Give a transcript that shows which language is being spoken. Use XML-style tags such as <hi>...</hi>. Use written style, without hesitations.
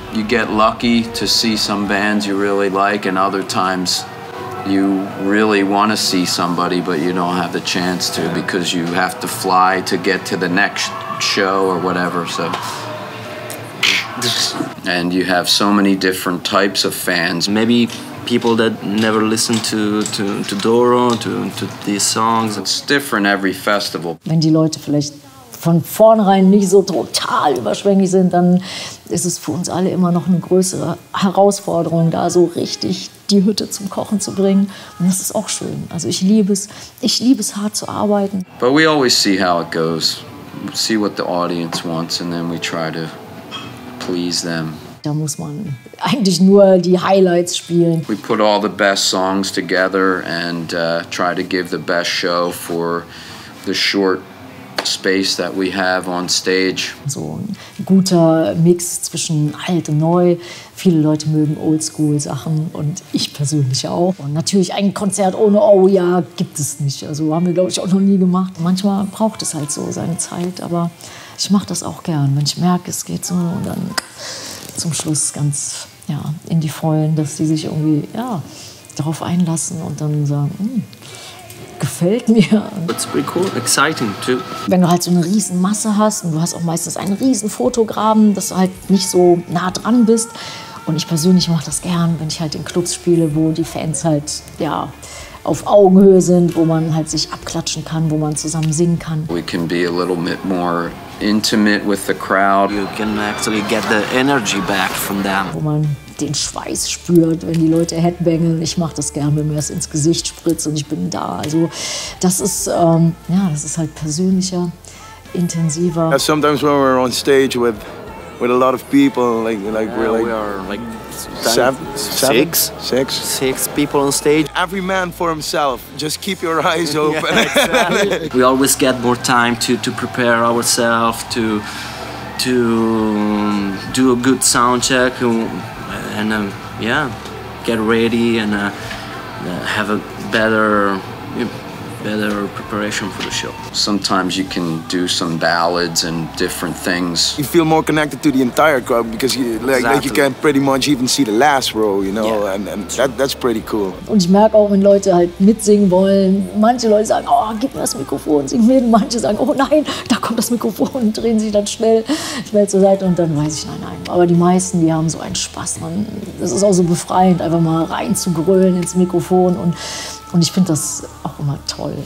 <en>you get lucky to see some bands you really like, and other times you really want to see somebody but you don't have the chance to because you have to fly to get to the next show or whatever. So, and you have so many different types of fans. Maybe people that never listened to Doro, to these songs. It's different every festival.</en> <de>Wenn die Leute vielleicht von vornherein nicht so total überschwänglich sind, dann ist es für uns alle immer noch eine größere Herausforderung, da so richtig die Hütte zum Kochen zu bringen. Und das ist auch schön. Also ich liebe es, hart zu arbeiten.</de> <en>But we always see how it goes. See what the audience wants and then we try to please them.</en> <de>Da muss man eigentlich nur die Highlights spielen.</de> <en>We put all the best songs together and try to give the best show for the short space that we have on stage.</en> <de>So ein guter Mix zwischen alt und neu. Viele Leute mögen Oldschool-Sachen und ich persönlich auch. Und natürlich ein Konzert ohne Oh-Ja gibt es nicht. Also haben wir, glaube ich, auch noch nie gemacht. Manchmal braucht es halt so seine Zeit, aber ich mache das auch gern. Wenn ich merke, es geht so, und dann zum Schluss ganz ja, in die Vollen, dass die sich irgendwie ja, darauf einlassen und dann sagen, gefällt mir.</de> <en>That's pretty cool. Exciting too.</en> <de>Wenn du halt so eine riesen Masse hast und du hast auch meistens einen riesen Fotograben, dass du halt nicht so nah dran bist. Und ich persönlich mache das gern, wenn ich halt in Clubs spiele, wo die Fans halt ja, auf Augenhöhe sind, wo man halt sich abklatschen kann, wo man zusammen singen kann.</de> <en>We can be a little bit more intimate with the crowd. You can actually get the energy back from them.</en> <de>Wo man den Schweiß spürt, wenn die Leute headbangen. Ich mache das gerne, wenn mir das ins Gesicht spritzt und ich bin da. Also das ist ja, das ist halt persönlicher, intensiver.</de> <en>Sometimes when we're on stage with a lot of people, like yeah, we're like, we are like six people on stage. Every man for himself. Just keep your eyes open. Yeah, exactly. We always get more time to prepare ourselves to do a good sound check. And yeah, get ready and have a better preparation for the show. Sometimes you can do some ballads and different things. You feel more connected to the entire crowd because you, like you can pretty much even see the last row, you know, yeah. And that's pretty cool.</en> <de>Und ich merke auch, wenn Leute halt mitsingen wollen, manche Leute sagen, oh, gib mir das Mikrofon, sing mit. Manche sagen, oh nein, da kommt das Mikrofon und drehen sich dann schnell zur Seite und dann weiß ich, nein. Aber die meisten, die haben so einen Spaß. Man, das ist auch so befreiend, einfach mal rein zu grölen ins Mikrofon und ich finde das auch immer toll.</de>